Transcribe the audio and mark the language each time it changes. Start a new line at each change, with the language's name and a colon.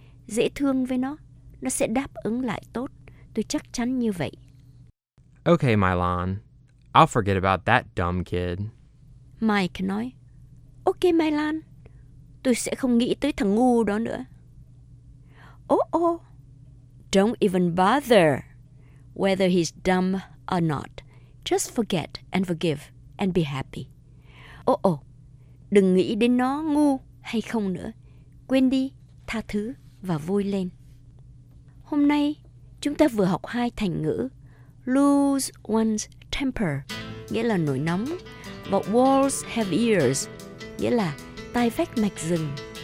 Vietnamese: Dễ thương với nó. Nó sẽ đáp ứng lại tốt. Tôi chắc chắn như vậy.
English: Okay, Mylon. I'll forget about that dumb kid.
Vietnamese: Mike nói, Okay, Mylon. Tôi sẽ không nghĩ tới thằng ngu đó nữa. Oh,
English: don't even bother whether he's dumb or not. Just forget and forgive and be happy.
Vietnamese: Oh, đừng nghĩ đến nó ngu hay không nữa. Quên đi, tha thứ và vui lên. Hôm nay, chúng ta vừa học hai thành ngữ
English: lose one's temper,
Vietnamese: nghĩa là nổi nóng, và
English: walls have ears,
Vietnamese: nghĩa là tai vách mạch rừng.